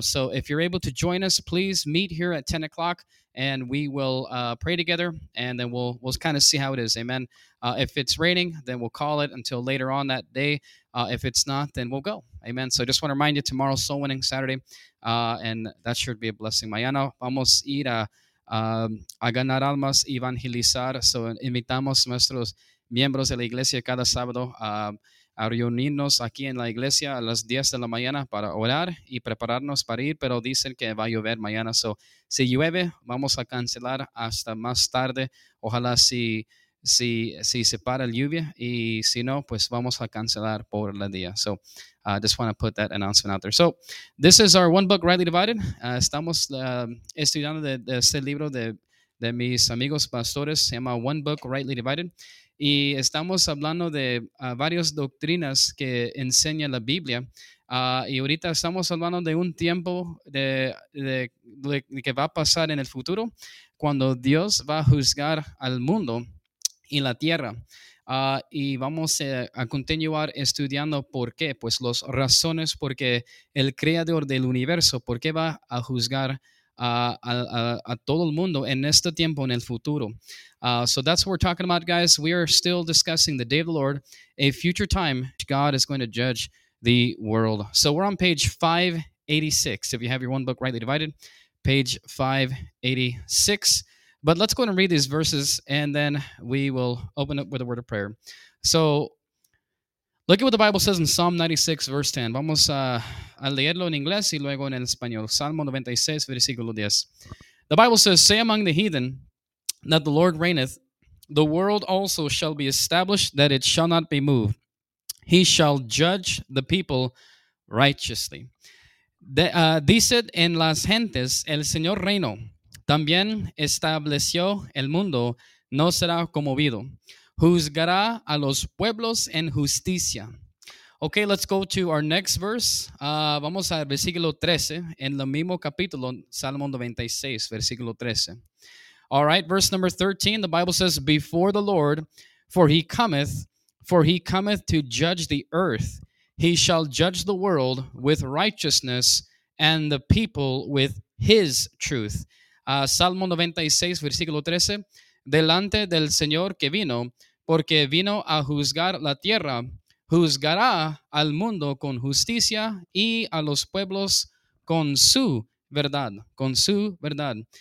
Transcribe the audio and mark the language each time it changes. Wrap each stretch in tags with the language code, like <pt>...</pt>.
<en>So if you're able to join us, please meet here at 10 o'clock and we will pray together and then we'll kind of see how it is. Amen. If it's raining, then we'll call it until later on that day. If it's not, then we'll go. Amen. So I just want to remind you tomorrow, soul winning Saturday, and that should be a blessing.</en> <es>Mañana vamos a ir a ganar almas, evangelizar. So invitamos nuestros miembros de la iglesia cada sábado a reunirnos aquí en la iglesia a las 10 de la mañana para orar y prepararnos para ir, pero dicen que va a llover mañana. So, si llueve, vamos a cancelar hasta más tarde. Ojalá si se para lluvia, y si no, pues vamos a cancelar por el día.</es> <en>So, I just want to put that announcement out there. So, this is our one book, Rightly Divided.</en> <es>Estamos estudiando de este libro de de mis amigos pastores. Se llama One Book, Rightly Divided. Y estamos hablando de varias doctrinas que enseña la Biblia. Y ahorita estamos hablando de un tiempo de que va a pasar en el futuro cuando Dios va a juzgar al mundo y la tierra. Y vamos a continuar estudiando por qué, pues las razones por qué el creador del universo, por qué va a juzgar a todo el mundo en este tiempo, en el futuro.</es> <en>So that's what we're talking about, guys. We are still discussing the day of the Lord, a future time God is going to judge the world. So we're on page 586, if you have your one book rightly divided, page 586. But let's go ahead and read these verses, and then we will open up with a word of prayer. So look at what the Bible says in Psalm 96, verse 10.</en> <es>Vamos a leerlo en inglés y luego en el español. Salmo 96, versículo 10.</es> <en>The Bible says, "Say among the heathen that the Lord reigneth. The world also shall be established, that it shall not be moved. He shall judge the people righteously."</en> <es>Dice en las gentes, el Señor reino. También estableció el mundo, no será conmovido. Juzgará a los pueblos en justicia.</es> <en>Okay, let's go to our next verse.</en> <es>Vamos al versículo 13, en el mismo capítulo, Salmo 96, versículo 13.</es> <en>All right, verse number 13, the Bible says, "Before the Lord, for he cometh to judge the earth, he shall judge the world with righteousness and the people with his truth."</en> <es>Salmo 96, versículo 13, "Delante del Señor que vino, porque vino a juzgar la tierra, juzgará al mundo con justicia y a los pueblos con su verdad, con su verdad."</es>